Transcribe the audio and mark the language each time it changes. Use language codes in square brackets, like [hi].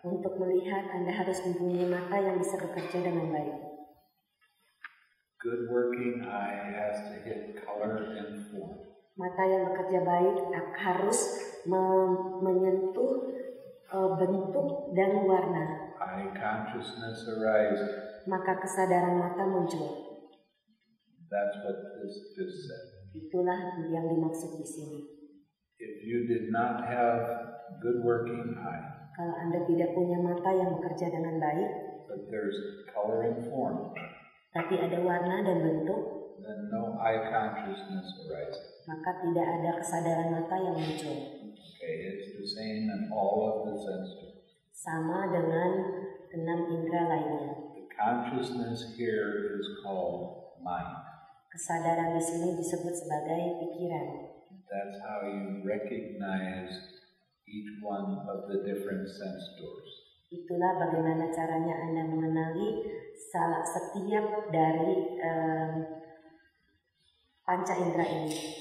[id] Untuk melihat, Anda harus mempunyai mata yang bisa bekerja dengan baik. [en] Good working eye has to hit color and form. [id] Mata yang bekerja baik harus menyentuh bentuk dan warna. [en] Eye consciousness arises. [id] Maka kesadaran mata muncul. [en] That's what this just said. [id] Itulah yang dimaksud di sini. [en] If you did not have good working eye. [id] Kalau Anda tidak punya mata yang bekerja dengan baik. [en] But there's color and form. [id] Tapi ada warna dan bentuk. [en] Then no eye consciousness arises. [id] Maka tidak ada kesadaran mata yang muncul. [en] Okay, it's the same in all of the senses. [id] Sama dengan enam indera lainnya. [en] The consciousness here is called mind. [id] Kesadaran di sini disebut sebagai pikiran. [en] That's how you recognize each one of the different sense doors. [id] Itulah bagaimana caranya Anda mengenali salah setiap dari panca indera ini.